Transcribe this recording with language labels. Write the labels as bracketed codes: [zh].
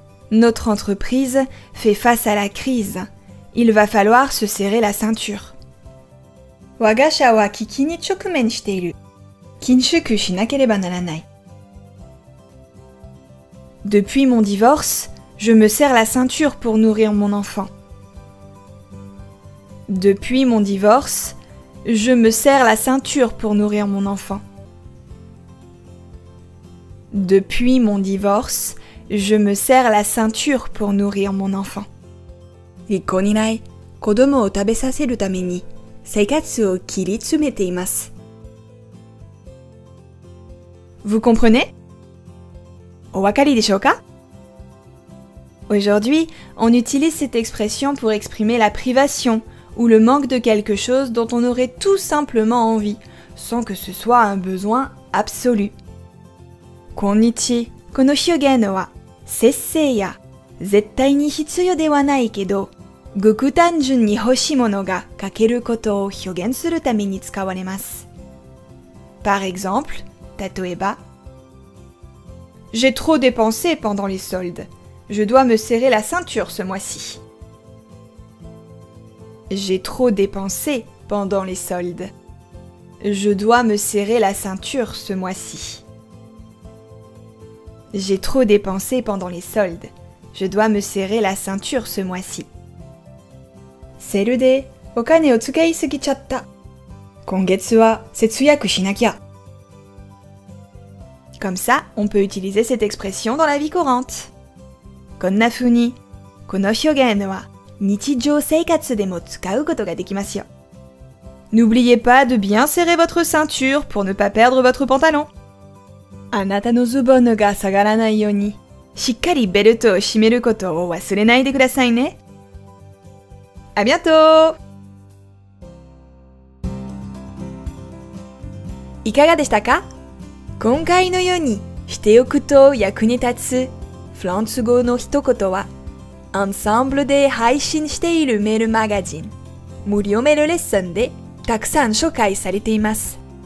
[fr] Notre entreprise fait face à la crise. Il va falloir se serrer la ceinture. [ja] 我が社は危機に直面している。緊縮しなければならない。 [fr] Depuis mon divorce, je me serre la ceinture pour nourrir mon enfant. Depuis mon divorce, je me serre la ceinture pour nourrir mon enfant. Depuis mon divorce, je me serre la ceinture pour nourrir mon enfant. [ja] 離婚にない子供を食べさせるために生活を切り詰めています。 [fr] Vous comprenez? [ja] お分かりでしょうか? [fr] Aujourd'hui, on utilise cette expression pour exprimer la privation ou le manque de quelque chose dont on aurait tout simplement envie, sans que ce soit un besoin absolu. Konnichi. [ja] この表現は、節制や絶対に必要ではないけど、極端純に欲しいものが欠けることを表現するために使われます。 [fr] Par exemple, [ja] 例えば、 [fr] J'ai trop dépensé pendant les soldes. Je dois me serrer la ceinture ce mois-ci. J'ai trop dépensé pendant les soldes. Je dois me serrer la ceinture ce mois-ci. J'ai trop dépensé pendant les soldes. Je dois me serrer la ceinture ce mois-ci. [ja] セールでお金を使いすぎちゃった。今月は節約しなきゃ。 [fr] Comme ça, on peut utiliser cette expression dans la vie courante. [ja] こんな風に、この表現は日常生活でも使うことができますよ。 [fr] N'oubliez pas de bien serrer votre ceinture pour ne pas perdre votre pantalon. [ja] あなたのズボンが下がらないように、しっかりベルトを締めることを忘れないでくださいね。 [fr] À bientôt! [ja] いかがでしたか? 今回のようにしておくと役に立つフランス語の一言は、アンサンブルで配信しているメールマガジン、無料メールレッスンでたくさん紹介されています。